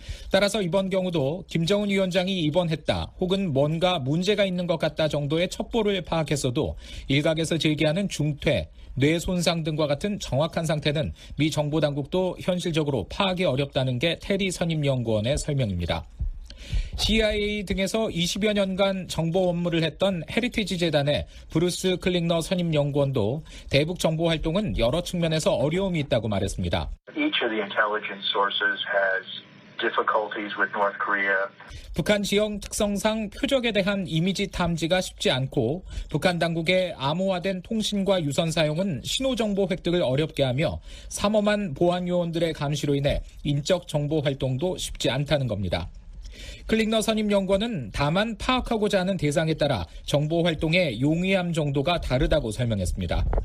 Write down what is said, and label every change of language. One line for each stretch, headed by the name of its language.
Korean: 따라서 이번 경우도 김정은 위원장이 입원했다 혹은 뭔가 문제가 있는 것 같다 정도의 첩보를 파악했어도 일각에서 제기하는 중퇴, 뇌손상 등과 같은 정확한 상태는 미 정보당국도 현실적으로 파악이 어렵다는 게 테리 선임연구원의 설명입니다. CIA 등에서 20여 년간 정보 업무를 했던 헤리티지 재단의 브루스 클링너 선임 연구원도 대북 정보 활동은 여러 측면에서 어려움이 있다고 말했습니다.
English: Each of the intelligence sources has difficulties with North Korea.
Korean: 북한 지형 특성상 표적에 대한 이미지 탐지가 쉽지 않고 북한 당국의 암호화된 통신과 유선 사용은 신호 정보 획득을 어렵게 하며 삼엄한 보안 요원들의 감시로 인해 인적 정보 활동도 쉽지 않다는 겁니다. 클링너 선임 연구원은 다만 파악하고자 하는 대상에 따라 정보 활동의 용이함 정도가 다르다고 설명했습니다.